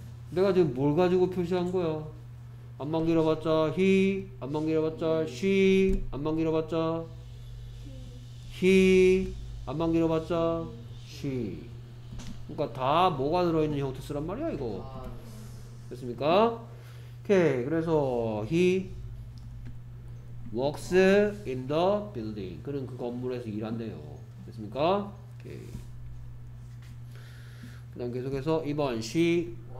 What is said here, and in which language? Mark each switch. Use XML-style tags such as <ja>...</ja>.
<ko>내가 지금 뭘 가지고 표시한 거야? 안만 길어봤자 he, 안만 길어봤자 she, 안만 길어봤자 he, 안만 길어봤자 she. 그러니까 다 뭐가 들어있는 형태 쓰란 말이야 이거. 됐습니까? 오케이. 그래서</ko> <en>he works in the building.</en> <ko>그는 그 건물에서 일한대요. 됐습니까? 오케이. 그다음 계속해서 2번 she.</ko>